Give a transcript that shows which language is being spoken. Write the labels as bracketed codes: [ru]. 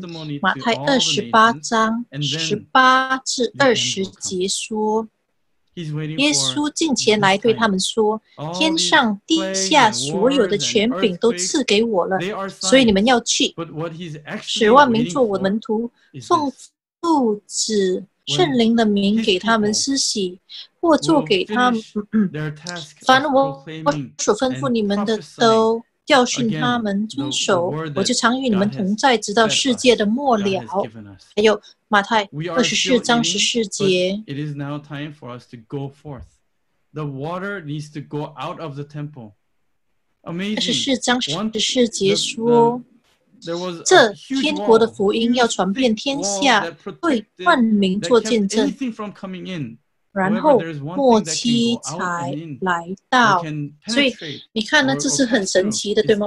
[zh] 这是耶稣给我们的使命。马太二十八章十八至二十节说，耶稣近前来对他们说：“天上地下所有的权柄都赐给我了，所以你们要去，使万民做我的门徒，奉父子圣灵的名给他们施洗，或做给他们。凡我所吩咐你们的，都教训他们遵守。我就常与你们同在，直到世界的末了。” 还有。马太二十四章十四节 [en] ，It is now time for us to go forth. The water needs to go out of the temple. Amazing. [zh] 二十四章十四节说，这天国的福音要传遍天下，为万民做见证。然后末期才来到，所以你看呢，这是很神奇的，对吗？